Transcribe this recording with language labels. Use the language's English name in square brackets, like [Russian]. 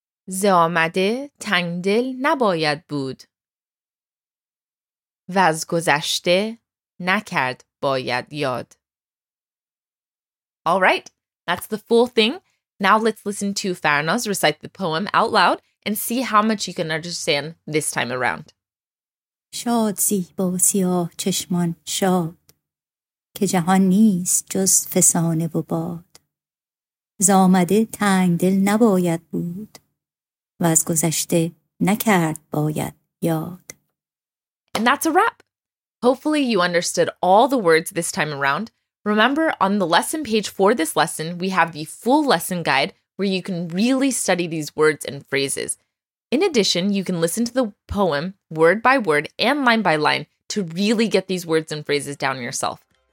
[Persian] زه آمده تنگ دل نباید بود و از گذشته نکرد باید یاد. [English] All right, that's the full thing. Now let's listen to Farnaz recite the poem out loud and see how much you can understand this time around. [Persian] شاد زیبا سیاه چشمان شاد که جهان نیست جز فسانه و باد زه آمده تنگ دل نباید بود و از گذشته نکرد باید یاد. [English] And that's a wrap. Hopefully you understood all the words this time around. Remember, on the lesson page for this lesson, we have the full lesson guide where you can really study these words and phrases. In addition, you can listen to the poem word by word and line by line to really get these words and phrases down yourself.